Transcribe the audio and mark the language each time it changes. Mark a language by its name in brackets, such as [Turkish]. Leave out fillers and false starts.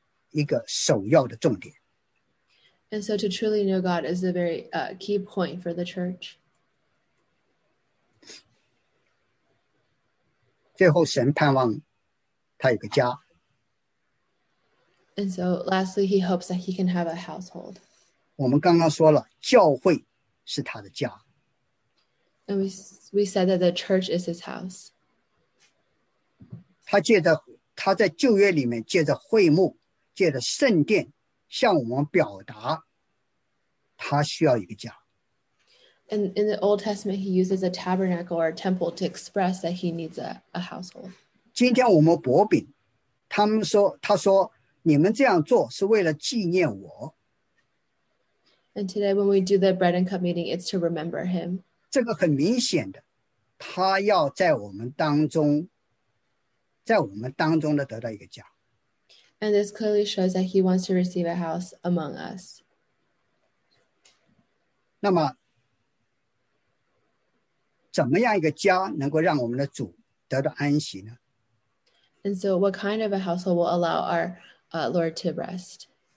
[Chinese] 真认识神是今天教会当中一个首要的重点。 [English] And so to truly know God is a very key point for the church. [Chinese] 最后神盼望他有个家。 [English] And so lastly, he hopes that he can have a household. [Chinese] 我们刚刚说了, 教会是他的家。 [English] And we said that the church is his house. [Chinese] 他在旧约里面借着会幕, 借着圣殿, 向我们表达。他需要一个家。 [English] And in the Old Testament, he uses a tabernacle or a temple to express that he needs a household. [Chinese] 今天我们薄饼, 他们说, 他说, 你们这样做是为了纪念我。 [English] And today when we do the bread and cup meeting, it's to remember him. [Chinese] 这个很明显的, 他要在我们当中, 在我们当中的得到一个家。 [English] And this clearly shows that he wants to receive a house among us. [Chinese] 那么怎么样一个家能够让我们的主得到安息呢？ [English] And so what kind of a household will allow our Lord to rest?